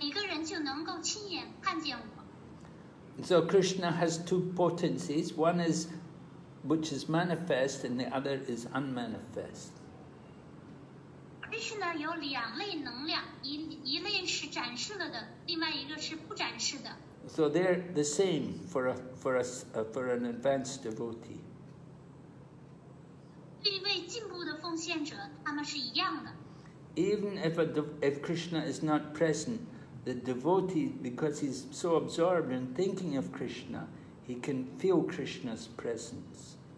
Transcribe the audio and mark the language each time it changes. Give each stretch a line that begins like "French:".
Chinese: 但是我希望很快每个人就能够亲眼看见我。
English: So Krishna has two potencies, one is which is manifest and the other is unmanifest.
Chinese: Krishna 有两类能量，一类是展示了的，另外一个是不展示的。
English: So they're the same for an advanced devotee.
Chinese: 对一位进步的奉献者，他们是一样的。
English: Even if Krishna is not present, the devotee, because he's so absorbed in thinking of Krishna, he can feel Krishna's presence.